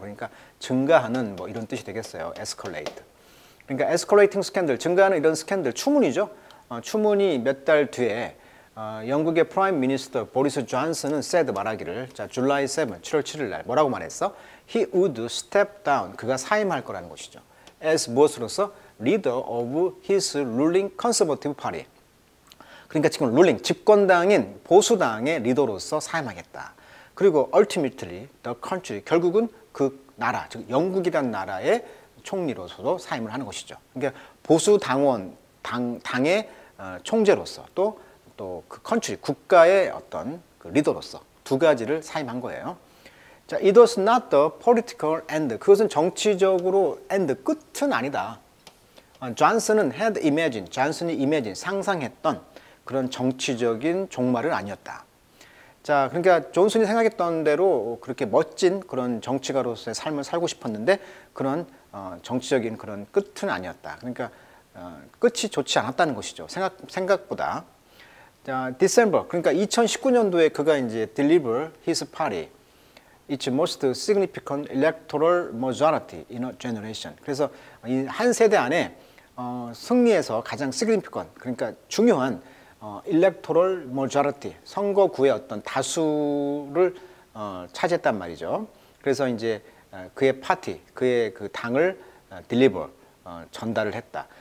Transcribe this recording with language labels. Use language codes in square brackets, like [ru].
[ko] 그러니까 증가하는 뭐 이런 뜻이 되겠어요. escalate. 그러니까 [en] escalating scandal, [ko] 증가하는 이런 스캔들, 추문이죠. 추문이 몇 달 뒤에 영국의 프라임 미니스터 보리스 존슨은 said 말하기를 자, July 7, 7월 7일 날 뭐라고 말했어? [en] He would step down. [ko] 그가 사임할 거라는 것이죠. As 무엇으로서? [en] Leader of his ruling conservative party. [ko] 그러니까 지금 룰링, 집권당인 보수당의 리더로서 사임하겠다. 그리고 [en] ultimately the country, [ko] 결국은 그 나라, 즉 영국이란 나라의 총리로서도 사임을 하는 것이죠. 그러니까 보수당원, 당의 총재로서 또 그 country, 국가의 어떤 그 리더로서 두 가지를 사임한 거예요. 자, [en] it was not the political end. [ko] 그것은 정치적으로 end, 끝은 아니다. Johnson은 [en] had imagined, [ko] Johnson이 imagined, 상상했던 그런 정치적인 종말은 아니었다. 자, 그러니까 존슨이 생각했던 대로 그렇게 멋진 그런 정치가로서의 삶을 살고 싶었는데 그런 정치적인 그런 끝은 아니었다. 그러니까 끝이 좋지 않았다는 것이죠. 생각보다. 자, December, 그러니까 2019년도에 그가 이제 [en] deliver his party. its most significant electoral majority in a generation. [ko] 그래서 이 한 세대 안에 승리해서 가장 significant, 그러니까 중요한 [en] electoral majority, [ko] 선거구의 어떤 다수를 차지했단 말이죠. 그래서 이제 그의 파티, 그의 그 당을 deliver, 전달을 했다.